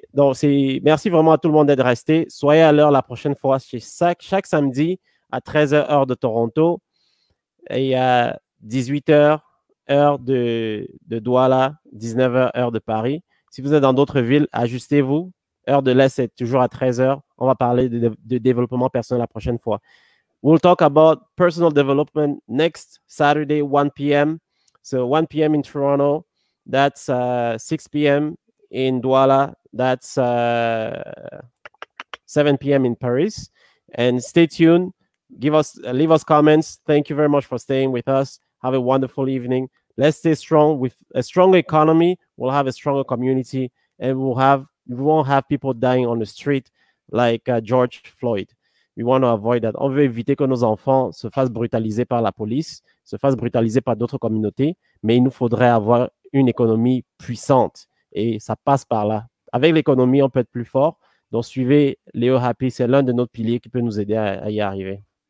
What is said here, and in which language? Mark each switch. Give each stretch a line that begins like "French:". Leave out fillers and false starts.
French: Donc, merci vraiment à tout le monde d'être resté. Soyez à l'heure la prochaine fois chez SAC chaque samedi à 13h heure de Toronto et à 18h heure de Douala, 19h heure de Paris. Si vous êtes dans d'autres villes, ajustez-vous. Heure de l'Est est toujours à 13h. On va parler de développement personnel la prochaine fois.
English: We'll talk about personal development next Saturday, 1 p.m. So 1 p.m. in Toronto, that's 6 p.m. in Douala, that's 7 p.m. in Paris. And stay tuned. Leave us comments. Thank you very much for staying with us. Have a wonderful evening. Let's stay strong. With a strong economy, we'll have a stronger community, and we won't have people dying on the street like George Floyd. We want to avoid that.
French: On veut éviter que nos enfants se fassent brutaliser par la police, se fassent brutaliser par d'autres communautés, mais il nous faudrait avoir une économie puissante. Et ça passe par là. Avec l'économie, on peut être plus fort. Donc, suivez Léo Happy. C'est l'un de nos piliers qui peut nous aider à y arriver.